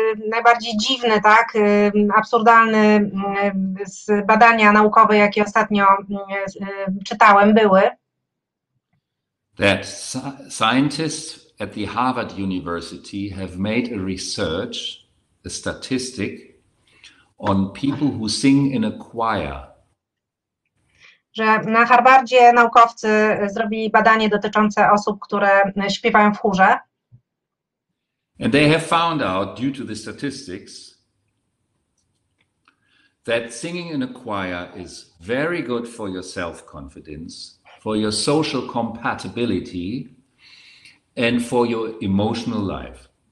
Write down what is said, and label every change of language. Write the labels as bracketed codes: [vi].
[pl] Najbardziej dziwny, tak, absurdalny z badania naukowe, jakie ostatnio czytałem, były. [en] That scientists at the Harvard University have made a research, a statistic on people who sing in a choir. [pl] Że na Harvardzie naukowcy zrobili badanie dotyczące osób, które śpiewają w chórze. [en] And they have found out, due to the statistics, that singing in a choir is very good for your self-confidence, for your social compatibility, and for your emotional life.